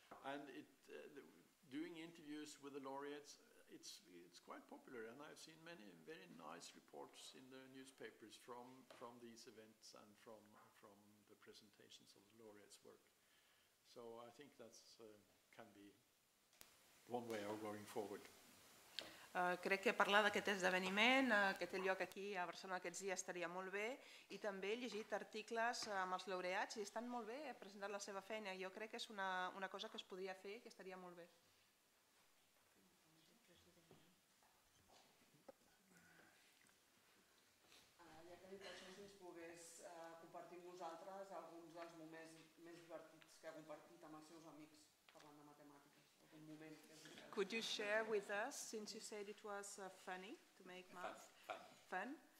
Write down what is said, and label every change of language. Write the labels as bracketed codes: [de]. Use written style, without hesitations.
[en] And doing interviews with the laureates, it's quite popular. And I've seen many very nice reports in the newspapers from these events and from the presentations of the laureates' work. So I think that can be one way of going forward. [ca] Crec que parlar d'aquest esdeveniment que té lloc aquí a Barcelona aquests dies estaria molt bé i també he llegit articles amb els laureats i estan molt bé presentant la seva feina. Jo crec que és una cosa que es podria fer i que estaria molt bé. Ja que li penso si es pogués compartir amb vosaltres alguns dels moments més divertits que ha compartit amb els seus amics parlant de matemàtiques, algun moment que... [en] Could you share with us, since you said it was funny to make math fun?